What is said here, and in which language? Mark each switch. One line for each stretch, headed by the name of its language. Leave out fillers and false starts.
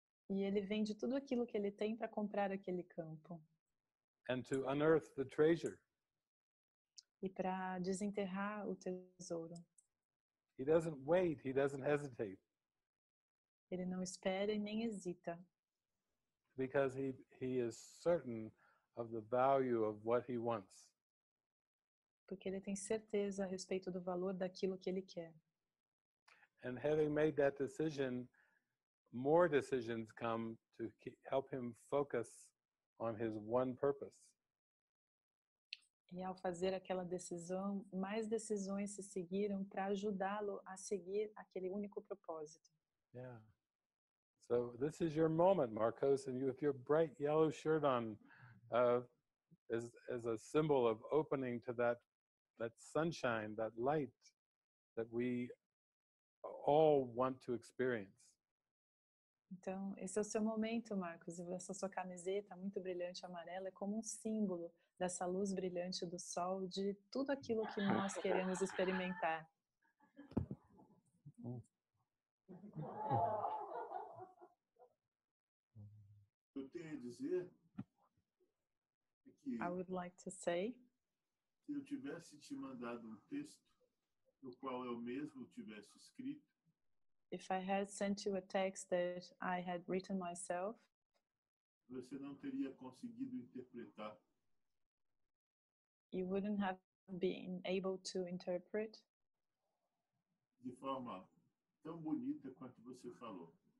Portuguese: E ele vende tudo aquilo que ele tem para comprar aquele campo.
English: And to unearth the treasure.
Portuguese: E para desenterrar o tesouro.
English: He doesn't wait, he doesn't hesitate.
Portuguese: Ele não espera e nem hesita.
English: Because he is certain of the value of what he wants.
Portuguese: Porque ele tem certeza a respeito do valor daquilo que ele quer.
English: And having made that decision, more decisions come to help him focus on his one purpose.
Portuguese: E ao fazer aquela decisão, mais decisões se seguiram para ajudá-lo a seguir aquele único propósito.
English: Yeah. So this is your moment, Marcos, and you with your bright yellow shirt on, as a symbol of opening to that sunshine, that light that we all want to experience.
Portuguese: Então, esse é o seu momento, Marcos, e essa sua camiseta muito brilhante amarela é como um símbolo dessa luz brilhante do sol, de tudo aquilo que nós queremos experimentar. Eu tenho a dizer que
English: I would like to say,
Portuguese: se eu tivesse te mandado um texto no qual eu mesmo tivesse escrito,
English: if I had sent you a text that I had written myself,
Portuguese: você não teria conseguido interpretar.
English: You wouldn't have been able to interpret
Portuguese: de forma tão bonita quanto você falou.